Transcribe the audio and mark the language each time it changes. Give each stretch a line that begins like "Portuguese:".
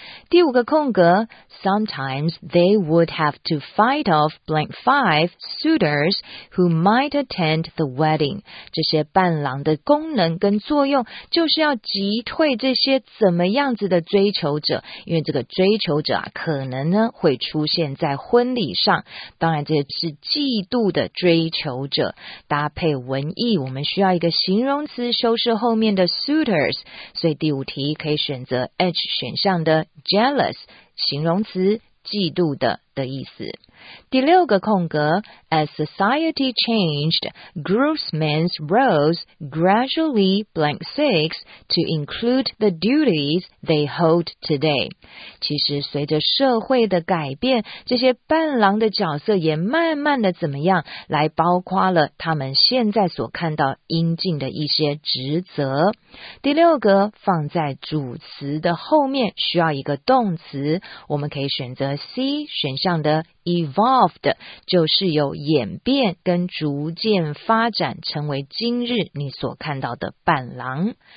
Chinese: 第五个空格
English: Sometimes they would have to fight off blank five suitors who might attend the wedding.
Chinese: 这些伴郎的功能跟作用就是要击退这些怎么样子的追求者，因为这个追求者啊，可能呢会出现在婚礼上。当然这是嫉妒的追求者。搭配文意，我们需要一个形容词修饰后面的 suitors， 所以第五题可以选择 H 选项的 jealous， 形容词嫉妒的意思。第六个空格
English: As society changed, groomsmen's roles gradually blank six to include the duties they hold today.
Chinese: 其实随着社会的改变，这些伴郎的角色也慢慢的怎么样来包括了他们现在所看到应尽的一些职责。第六个放在主词的后面需要一个动词，我们可以选择 C 选项的Evolved， 就是有演变跟逐渐发展成为今日你所看到的伴郎。